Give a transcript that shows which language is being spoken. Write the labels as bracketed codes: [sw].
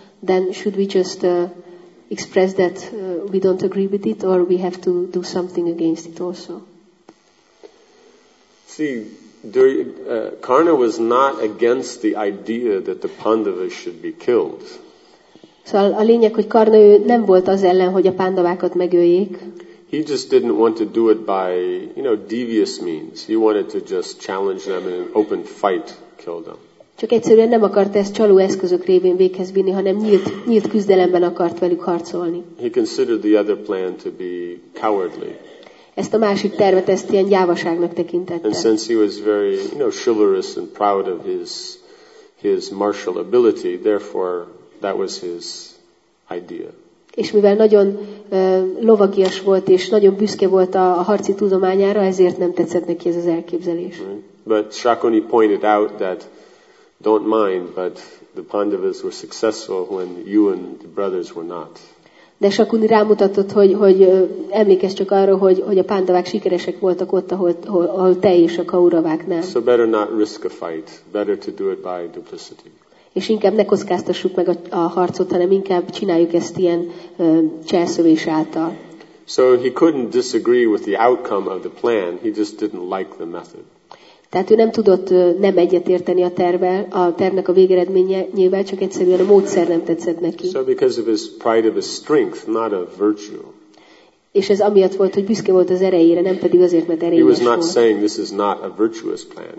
[en] Then should we just express that we don't agree with it, or we have to do something against it also? See. Karna was not against the idea that the Pandavas should be killed. [hu] Szóval a lényeg, hogy Karna nem volt az ellen, hogy a Pandavákat megöljék. [en] He just didn't want to do it by, you know, devious means. He wanted to just challenge them in an open fight, kill them. [hu] Csak egyszerűen nem akart ezt csaló eszközök révén véghez vinni, hanem nyílt küzdelemben akart velük harcolni. [en] He considered the other plan to be cowardly. [hu] Ezt a másik tervet, ezt ilyen gyávaságnak tekintette. [en] And since he was very, you know, chivalrous and proud of his martial ability, therefore that was his idea. [hu] És mivel nagyon lovagias volt és nagyon büszke volt a harci tudományára, ezért nem tetszett neki ez az elképzelés. [en] Right. But Shakuni pointed out that don't mind, but the Pandavas were successful when you and the brothers were not. [hu] De Shakuni rámutatott, hogy emlékezz csak arra, hogy a Pándavák sikeresek voltak ott, ahol te és a Kauravák nem. [en] So better not risk a fight, better to do it by duplicity. [hu] És inkább ne kockáztassuk meg a harcot, hanem inkább csináljuk ezt ilyen cselszövés által. [en] So he couldn't disagree with the outcome of the plan, he just didn't like the method. [hu] Tehát ő nem tudott nem egyetérteni a tervnek a végeredményével, csak egyszerűen a módszer nem tetszett neki. [en] So because of his pride of his strength, not of virtue. [hu] És ez amiatt volt, hogy büszke volt az erejére, nem pedig azért, mert erényes volt. [en] He was not saying this is not a virtuous plan.